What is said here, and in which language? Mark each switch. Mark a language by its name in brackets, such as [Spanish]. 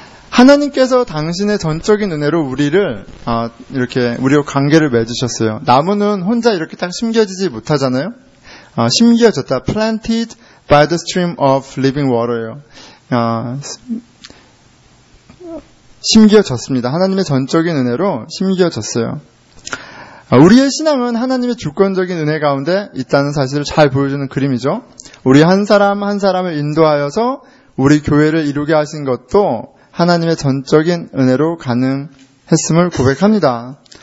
[Korean] 하나님께서 당신의 전적인 은혜로 우리와 관계를 맺으셨어요. 나무는 혼자 이렇게 딱 심겨지지 못하잖아요. 심겨졌다. [English] Planted by the stream of living water요. [Korean] 심겨졌습니다. 하나님의 전적인 은혜로 심겨졌어요. 우리의 신앙은 하나님의 주권적인 은혜 가운데 있다는 사실을 잘 보여주는 그림이죠. 우리 한 사람 한 사람을 인도하여서 우리 교회를 이루게 하신 것도 하나님의 전적인 은혜로 가능했음을 고백합니다.